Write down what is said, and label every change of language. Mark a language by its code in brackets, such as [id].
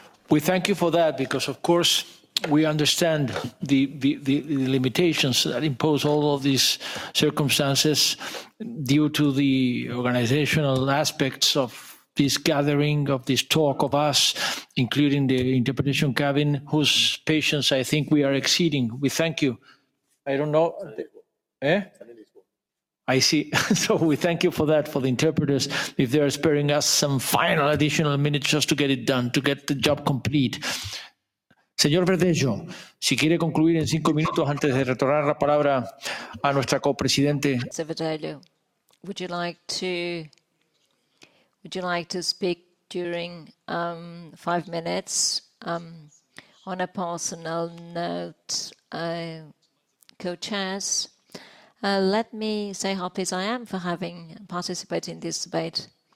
[en] We thank you for that, because of course we understand the limitations that impose all of these circumstances due to the organizational aspects of this gathering, of this talk of us, including the interpretation cabin, whose patience I think we are exceeding. We thank you. I don't know. I see. So we thank you for that, for the interpreters, if they are sparing us some final additional minutes just to get it done, to get the job complete. [es] Señor Verdejo, si quiere concluir en 5 minutos antes de retornar la palabra a nuestra copresidente. [en] Señor Verdejo, would you like to speak during 5 minutes on a personal note? Co-chairs, let me say how pleased I am for having participated in this debate.